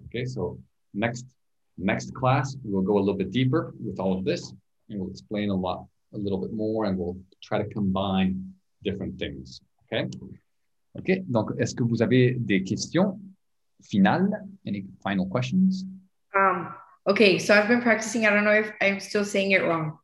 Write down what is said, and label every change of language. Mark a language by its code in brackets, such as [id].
[en] Okay, so next class, we'll go a little bit deeper with all of this. And we'll explain a little bit more and we'll try to combine different things. Okay? [fr] OK, donc est-ce que vous avez des questions finales? [en] Any final questions? OK, so I've been practicing. I don't know if I'm still saying it wrong.